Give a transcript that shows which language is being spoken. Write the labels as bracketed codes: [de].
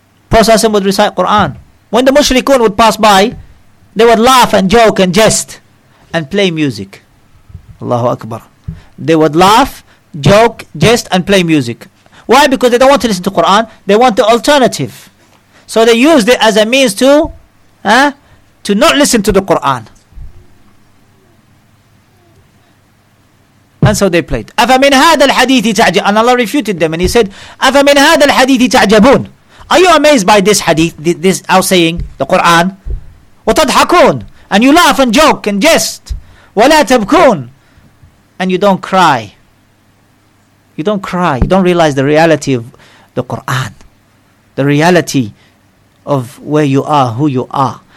[en] Prophet would recite Quran. When the Mushrikun would pass by, they would laugh and joke and jest and play music. Allahu Akbar. They would laugh, joke, jest and play music. Why? Because they don't want to listen to Quran. They want the alternative. So they used it as a means to not listen to the Quran. And so they played. [ar] أَفَمِنْ هَذَا الْحَدِيثِ تَعْجَبُونَ. [en] And Allah refuted them and He said, أَفَمِنْ هَذَا الْحَدِيثِ تَعْجَبُونَ. Are you amazed by this hadith, this our saying, the Quran? [ar] وَتَضْحَكُونَ. [en] And you laugh and joke and jest. [ar] وَلَا تَبْكُونَ. [en] And you don't cry. You don't cry. You don't realize the reality of the Quran. The reality of where you are, who you are.